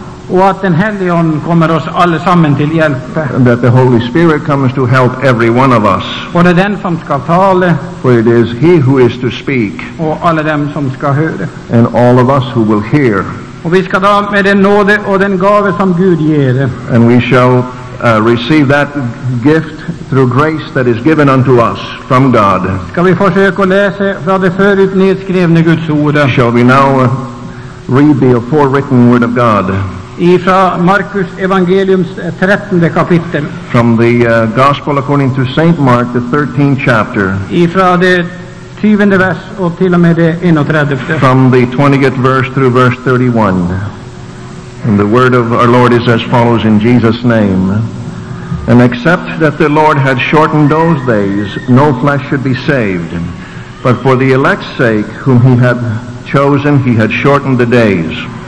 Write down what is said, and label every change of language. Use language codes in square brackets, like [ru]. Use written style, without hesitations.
[sv] Och att den helige ande kommer oss allesammen till hjälp. [en] That the Holy Spirit comes to help every one of us. [sv] Och det är den som ska tala. [en] For it is he who is to speak. [sv] Och alla dem som ska höra. [en] And all of us who will hear. [sv] Och vi ska ta med den nåde och den gåva som Gud ger. [en] And we shall receive that gift through grace that is given unto us from God. [sv] Ska vi försöka läsa från det förut nedskrivna Guds ord. [en] Shall we now read the forewritten word of God. [sv] Ifra Markus evangeliums 13:e kapitel. [en] From the Gospel according to Saint Mark, the 13th chapter. [sv] Ifra det 20:e vers och till och med det 31:e. [en] From the 20th verse through verse 31. And the word of our Lord is as follows in Jesus' name. And except that the Lord had shortened those days, no flesh should be saved. But for the elect's sake, whom he had chosen, he had shortened the days.